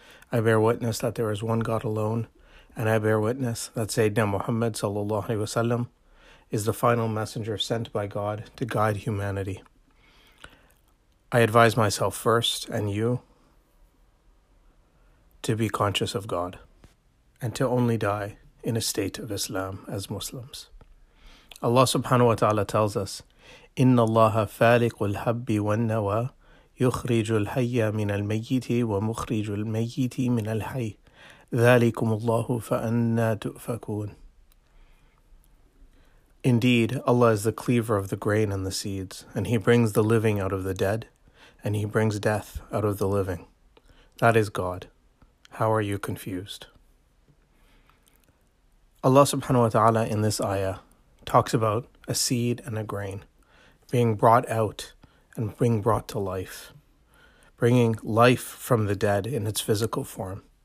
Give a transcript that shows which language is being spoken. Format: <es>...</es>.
<en>I bear witness that there is one God alone, and I bear witness that Sayyidina Muhammad sallallahu alaihi wasallam is the final messenger sent by God to guide humanity. I advise myself first and you to be conscious of God and to only die in a state of Islam as Muslims. Allah subhanahu wa ta'ala tells us,</en> <ar>إن الله فالق الحب والنوى يخرج الحي من الميت ومخرج الميت من الحي ذلكم الله فأنا تؤفكون.</ar> <en>Indeed, Allah is the cleaver of the grain and the seeds, and He brings the living out of the dead, and He brings death out of the living. That is God. How are you confused? Allah subhanahu wa ta'ala in this ayah talks about a seed and a grain being brought out and being brought to life, bringing life from the dead in its physical form.</en>